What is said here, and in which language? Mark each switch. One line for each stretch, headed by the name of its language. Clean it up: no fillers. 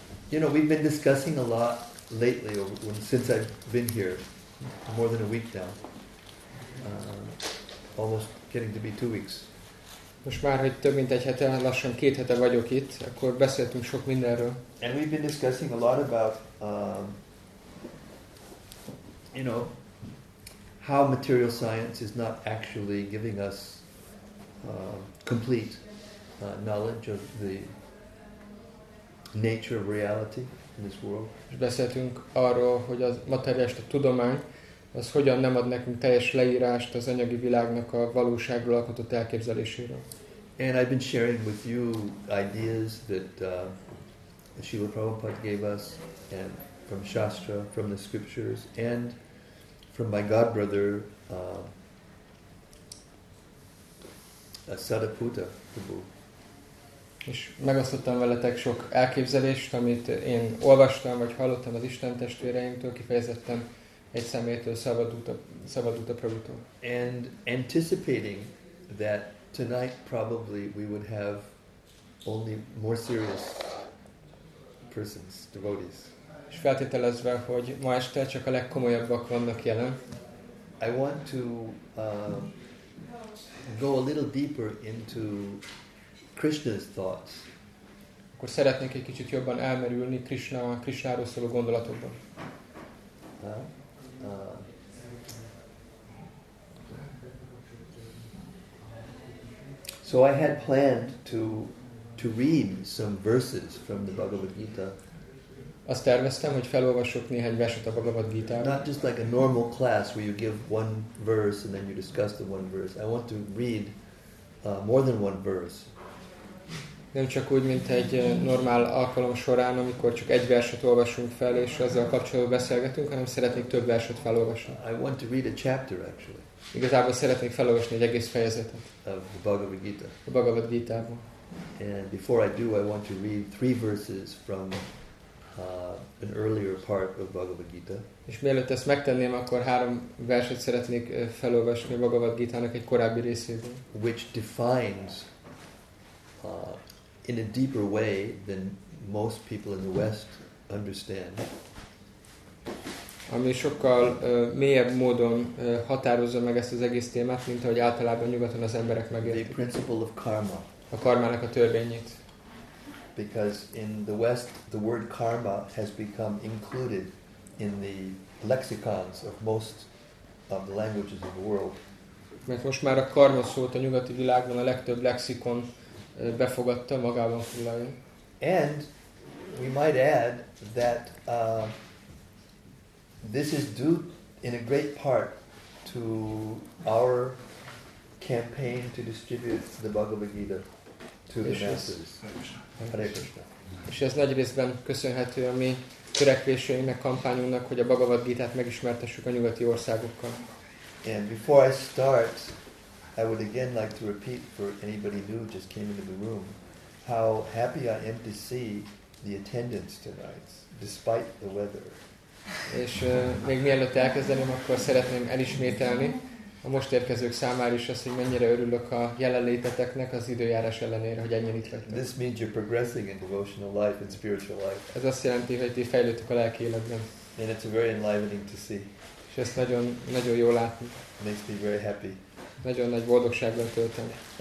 English: You know, we've been discussing a lot lately, since I've been here, more than a week now, almost getting to be 2 weeks.
Hungarian: Most már, hogy több mint egy hete, lassan két hete vagyok itt, akkor beszéltünk sok mindenről.
English: And we've been discussing a lot about, you know, how material science is not actually giving us complete knowledge of the nature of reality in this world.
Hungarian: És beszéltünk arról, hogy a materialista tudomány az hogyan nem ad nekünk teljes leírást az anyagi világnak a valóságról alkotott elképzeléséről.
English: And I've been sharing with you ideas that Srila Prabhupada gave us, and from Shastra, from the scriptures, and from my godbrother, Sadaputta Prabhu.
Hungarian: És megosztottam veletek sok elképzelést, amit én olvastam, vagy hallottam az Isten testvéreimtől, kifejezetten egy szemétől, Sadaputta Prabhutól.
English: And anticipating that tonight probably we would have only more serious persons, devotees.
Hungarian: És feltételezve, hogy ma este csak a legkomolyabbak vannak jelen.
English: I want to go a little deeper into Krishna's thoughts.
Hungarian: Akkor szeretnék egy kicsit jobban elmerülni Krishnáról szóló gondolatokban.
English: So I had planned to read some verses from the Bhagavad Gita.
Hungarian: Azt terveztem, hogy felolvasok néhány verset a Bhagavad Gita-ról.
English: Not just like a normal class where you give one verse and then you discuss the one verse. I want to read more than one verse.
Hungarian: Nem csak úgy, mint egy normál alkalom során, amikor csak egy verset olvasunk fel és azzal kapcsolatban beszélgetünk, hanem szeretnék több verset felolvasni.
English: I want to read a chapter actually.
Hungarian: Igazából szeretnék felolvasni egy egész fejezetet.
English: Of the Bhagavad Gita.
Hungarian: A Bhagavad Gita-ból.
English: And before I do, I want to read three verses from an earlier part of Bhagavad Gita.
Hungarian: És mielőtt ezt megtenném, akkor három verset szeretnék felolvasni a Bhagavad Gita-nak egy korábbi részéből.
English: Which defines in a deeper way than most people in the West understand.
Hungarian: Ami sokkal mélyebb módon határozza meg ezt az egész témát, mint ahogy általában nyugaton az emberek megértik.
English: The principle of karma.
Hungarian: A karmának a törvényét.
English: Because in the West, the word karma has become included in the lexicons of most of the languages of the world.
Hungarian: Mert most már a karma szót a nyugati világban a legtöbb lexikon befogadta, magában foglalja.
English: And we might add that this is due in a great part to our campaign to distribute the Bhagavad Gita to the masses. Hare Krishna.
Hungarian: És ez nagy részben köszönhető a mi törekvéseinknek, kampányunknak, hogy a Bhagavad Gita-t megismertessük a nyugati országokkal.
English: And before I start, I would again like to repeat for anybody new just came into the room how happy I am to see the attendance tonight, despite the weather.
Hungarian: És még mielőtt elkezdeném, akkor szeretném elismételni a most érkezők számára is azt, hogy mennyire örülök a jelenléteteknek az időjárás ellenére, hogy ennyien itt vagytok.
English: This means you're progressing in devotional life and spiritual life.
Hungarian: Ez azt jelenti, hogy ti fejlődtök a lelki életben.
English: And it's very enlivening to see.
Hungarian: És ezt nagyon, nagyon jó látni.
English: It makes me very happy.
Hungarian: Nagyon nagy boldogságban tölteni.